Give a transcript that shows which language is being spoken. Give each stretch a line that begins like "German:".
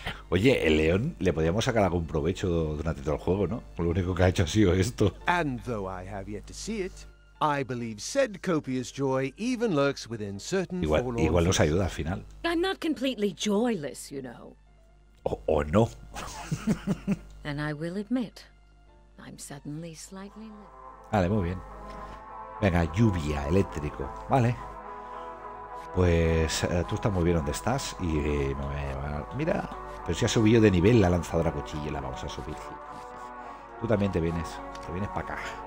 Spanish: Oye, el león le podíamos sacar algún provecho durante todo el juego, ¿no? Lo único que ha hecho ha sido esto.
English: And though I have yet to see it, I believe said copious joy even lurks within certain forlorn faces.
Spanish: Igual nos ayuda al final.
English: I'm not completely joyless, you know.
Spanish: O no.
English: And I will admit, I'm suddenly slightly...
Spanish: Vale, muy bien. Venga, lluvia, eléctrico. Vale. Pues tú estás muy bien donde estás. Y mira, pero si ha subido de nivel la lanzadora cuchilla, la vamos a subir. Tú también te vienes para acá.